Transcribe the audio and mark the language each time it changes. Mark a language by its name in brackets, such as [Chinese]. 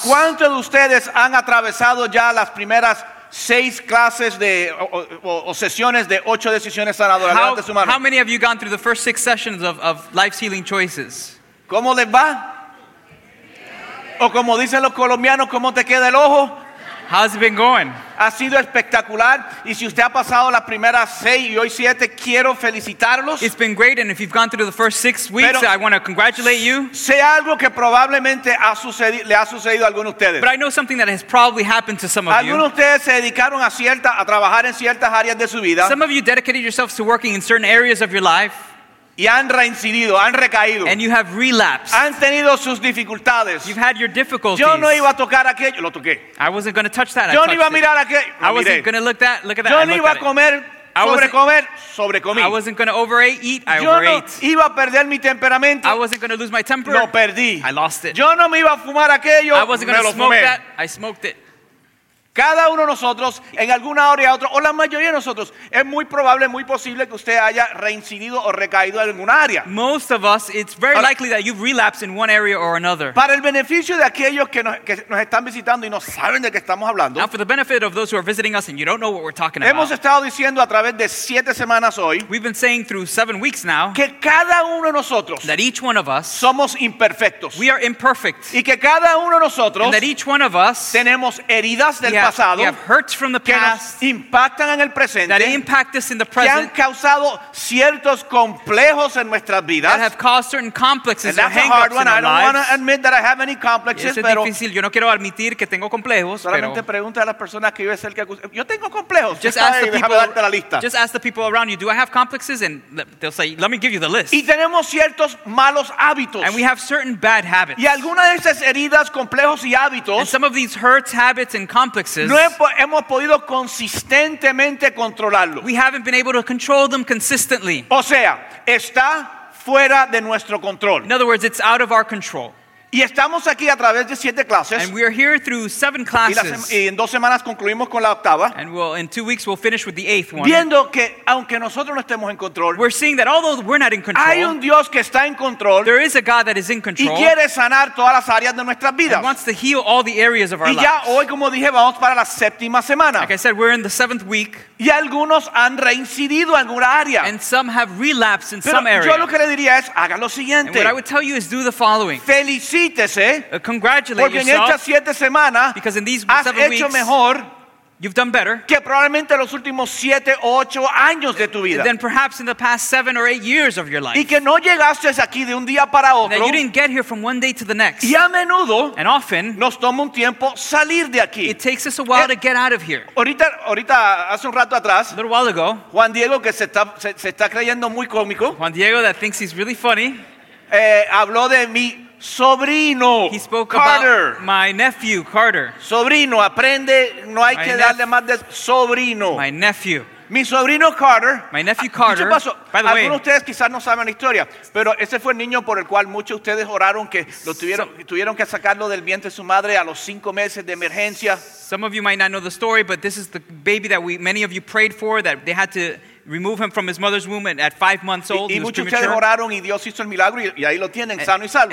[Spanish] ¿Cuántos de ustedes han atravesado ya las primeras 6 clases de o sesiones de 8 decisiones sanadoras? Levante su mano. [English] How many of you gone through the first 6 sessions of life's healing choices? [Spanish] ¿Cómo les va? O como dicen los colombianos, ¿cómo te queda el ojo? [English] How's it been going? [Spanish] Ha sido espectacular, y si usted ha pasado las primeras 6 y hoy 7, quiero felicitarlos. [English] It's been great, and if you've gone through the first 6 weeks, [Spanish] pero [English] I want to congratulate you. [Spanish] Sé algo que probablemente le ha sucedido a alguno de ustedes. [English] But I know something that has probably happened to some of you. [Spanish] Algunos de ustedes se dedicaron a trabajar en ciertas áreas de su vida. [English] Some of you dedicated yourselves to working in certain areas of your life. [Spanish] Y han reincidido, han recaído. [English] And you have relapsed. [Spanish] Han tenido sus dificultades. [English] You've had your difficulties. [Spanish] Yo no iba a tocar aquello, lo toqué. [English] I wasn't going to touch that. [Spanish] Yo no iba a mirar aquello. [English] I wasn't going to look at that. [Spanish] Yo no iba a comer, sobrecomer, sobrecomí. [English] I wasn't going to overeat. I [Spanish] Yo [English] overate. [Spanish] No iba a perder mi temperamento. [English] I wasn't going to lose my temper. [Spanish] Lo perdí. [English] I lost it. [Spanish] Yo no me iba a fumar aquello. [English] I wasn't going to smoke that. I smoked it. [Spanish] Cada uno de nosotros, en alguna área u otra, o la mayoría de nosotros, es muy probable, muy posible que usted haya reincidido o recaído en alguna área. [English] Most of us, it's very likely that you've relapsed in one area or another. [Spanish] Para el beneficio de aquellos que nos están visitando y no saben de qué estamos hablando. [English] Now, for the benefit of those who are visiting us and you don't know what we're talking [Spanish] hemos Hemos estado diciendo a través de 7 semanas hoy. [English] We've been saying through 7 weeks now. [Spanish] Que cada uno de nosotros. [English] That each one of us. [Spanish] Somos imperfectos. [English] We are imperfect. [Spanish] Y que cada uno de nosotros. [English] And that each one of us. [Spanish] Tenemos heridas del pasado. [English] We have hurts from the past [Spanish] que impactan en el presente, [English] that impact us in the present, [Spanish] que han causado ciertos complejos en nuestras vidas, [English] that have caused certain complexes. And that's a hard one. In our lives. I don't want to admit that I have any complexes. [Spanish] Es difícil. Yo no quiero admitir que tengo complejos. Solamente pregunta a las personas que vive cerca. Yo tengo complejos. [English] Just ask the people. [Spanish] Déjame darte la lista. [English] Just ask the people around you. Do I have complexes? And they'll say, "Let me give you the list." [Spanish] Y tenemos ciertos malos hábitos. [English] And we have certain bad habits. [Spanish] Y algunas de esas heridas, complejos y hábitos. [English] And some of these hurts, habits, and complexes. [Spanish] No hemos podido consistentemente controlarlo. [English] We haven't been able to control them consistently. [Spanish] O sea, está fuera de nuestro control. [English] In other words, it's out of our control. [Spanish] Y estamos aquí a través de 7 clases. [English] And we are here through 7 classes. [Spanish] Y en 2 semanas concluimos con la octava. [English] And in 2 weeks we'll finish with the 8th one. [Spanish] Viendo que aunque nosotros no estemos en control, [English] we're seeing that although we're not in control, [Spanish] hay un Dios que está en control. [English] There is a God that is in control. [Spanish] Y quiere sanar todas las áreas de nuestras vidas. [English] And wants to heal all the areas of our lives. [Spanish] Y ya hoy, como dije, vamos para la 7ª semana. [English] Like I said, we're in the 7th week. [Spanish] Y algunos han reincidido en alguna área. [English] And some have relapsed in some area. [Spanish] Pero yo lo que le diría es, haga lo siguiente. [English] And what I would tell you is do the following. [Spanish] Felicítese. [English] Congratulate yourself. [Spanish] Porque en estas 7 semanas. [English] Because in these 7 weeks. [Spanish] Has hecho mejor. [English] You've done better. [Spanish] Que probablemente los últimos 7 o 8 años de tu vida. [English] Than perhaps in the past 7 or 8 years of your life. [Spanish] Y que no llegaste aquí de un día para otro. [English] And that you didn't get here from one day to the next. [Spanish] Y a menudo. [English] And often. [Spanish] Nos toma un tiempo salir de aquí. [English] It takes us a while to get out of here. [Spanish] Ahorita hace un rato atrás. [English] A little while ago. [Spanish] Juan Diego que se está creyendo muy cómico. [English] Juan Diego that thinks he's really funny. [Spanish] Habló de mi sobrino. [English] He spoke Carter. About my nephew Carter. [Spanish] Sobrino, aprende, no hay que darle más de sobrino. [English] My nephew. [Spanish] Mi sobrino Carter. [English] My nephew Carter. [Spanish] ¿Qué pasó? Algunos de ustedes quizás no saben la historia, pero ese fue el niño por el cual muchos de ustedes oraron que lo tuvieron tuvieron que sacarlo del vientre de su madre a los 5 meses de emergencia. [English] Some of you might not know the story, but this is the baby that many of you prayed for that they had to remove him from his mother's womb and at 5 months old [Spanish] y muchos ustedes oraron y Dios hizo el milagro y ahí lo tienen sano y salvo.